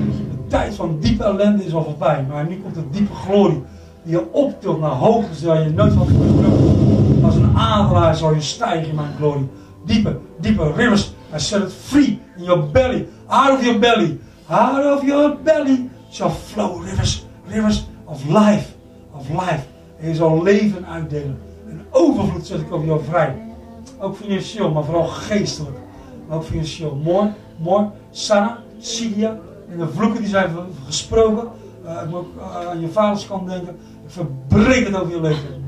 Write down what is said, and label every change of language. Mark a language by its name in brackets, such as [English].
[Dutch] De tijd van diepe ellende is al voorbij, maar nu komt de diepe glorie die je optilt naar hoogte, zodat je nooit van kunt drukken. Als een adelaar zal je stijgen in mijn glorie. Diepe rivers, [English] I set it free in your belly, [Dutch] out of your belly. [English] out of your belly shall flow rivers of life. Of life. [Dutch] En je zal leven uitdelen. En overvloed zet ik over jou vrij. Ook financieel, maar vooral geestelijk. Maar ook financieel. Mooi, mooi. Sana, Sidia. En de vloeken die zijn gesproken. Ik moet ook aan je vaders kant denken. Ik verbreek het over je leven.